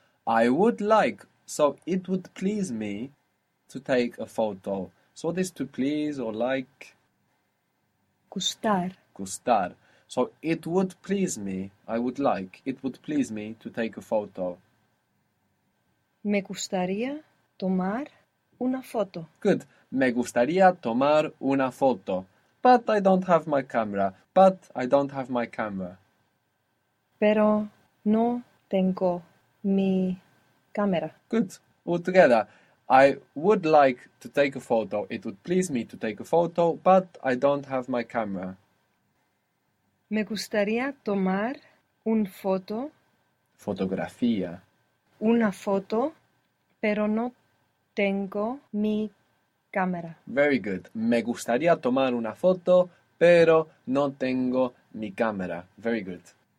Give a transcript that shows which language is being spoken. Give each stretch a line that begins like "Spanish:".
English: I would like, so it would please me to take a photo. So what is to please or like?
Spanish: Gustar. Gustar.
English: So it would please me, I would like, it would please me to take a photo.
Spanish: Me gustaría tomar una foto.
English: Good.
Spanish: Me gustaría tomar una foto.
English: But I don't have my camera. But I don't have my camera.
Spanish: Pero no tengo mi cámara.
English: Good. All together. I would like to take a photo. It would please me to take a photo, but I don't have my camera.
Spanish: Me gustaría tomar un foto. Fotografía. Una foto, pero no tengo mi cámara.
English: Very good.
Spanish: Me gustaría tomar una foto, pero no tengo mi cámara.
English: Very good.